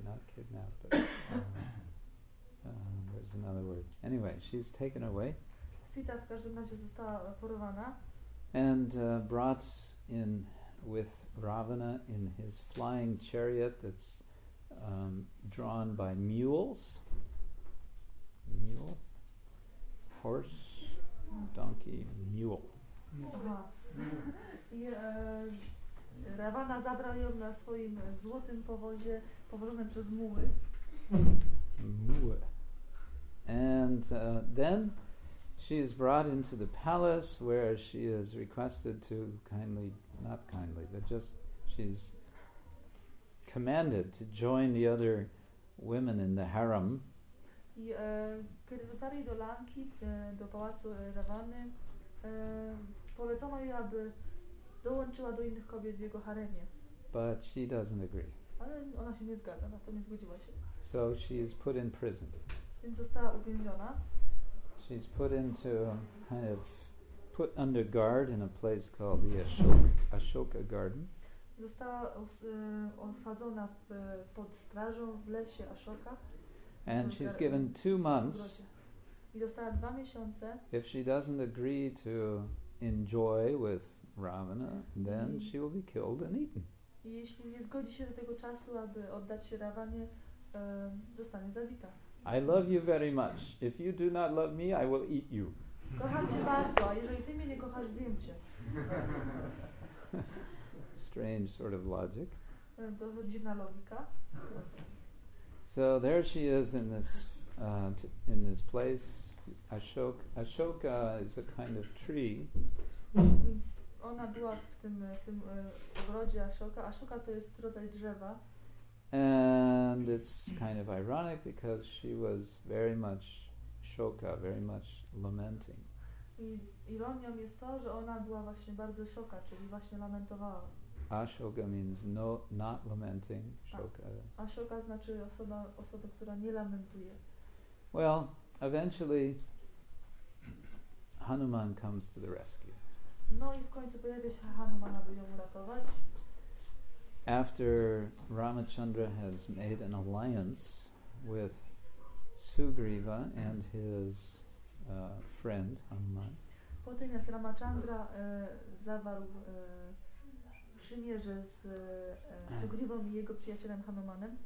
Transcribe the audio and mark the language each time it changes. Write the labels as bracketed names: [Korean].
[English] Not kidnapped, but there's another word. Anyway, she's taken away. [Polish] Sita w każdym razie została porwana. [English] And brought in with Ravana in his flying chariot that's drawn by mules. Mule, horse, donkey, mule. [Polish] I Ravana zabrał ją na swoim złotym powozie, powożonym przez muły. Muły. [English] And then she is brought into the palace where she is requested to kindly, not kindly, but just she's commanded to join the other women in the harem. [Polish] I kiedy dotarli do Lanki, do pałacu Ravany, polecono jej, aby dołączyła do innych kobiet w jego haremie. [English] But she doesn't agree. [Polish] Ale ona się nie zgadza, na to nie zgodziła się. [English] So she is put in prison. [Polish] Więc została uwięziona. [English] She's put into kind of put under guard in a place called the Ashoka Garden. [Polish] Została osadzona pod strażą w lesie Ashoka. [English] And she's given 2 months. [Polish] I dostała 2 miesiące. [English] If she doesn't agree to enjoy with Ravana, then she will be killed and eaten. [Polish] I jeśli nie zgodzi się do tego czasu, aby oddać się Ravanie, zostanie zabita. [English] I love you very much. If you do not love me, I will eat you. [Polish] Kocham cię bardzo, a jeżeli ty mnie nie kochasz, zjem cię. [English] Strange sort of logic. [Polish] To dziwna logika. [English] So there she is in this place. Ashoka is a kind of tree. [Polish] Więc ona była w tym ogrodzie Ashoka. Ashoka to jest rodzaj drzewa. [English] And it's kind of ironic because she was very much Shoka, very much lamenting. [Polish] I ironią jest to, że ona była właśnie bardzo Shoka, czyli właśnie lamentowała. [English] Ashoka means no, not lamenting, Shoka. [Polish] Ashoka znaczy osoba, która nie lamentuje. [English] Well, eventually Hanuman comes to the rescue. [Polish] No i w końcu pojawia się Hanuman, aby ją uratować. [English] After Ramachandra has made an alliance with Sugriva and his friend Hanuman. [Polish] Potem jak Ramachandra zawarł przymierze z Sugriwą i jego przyjacielem Hanumanem.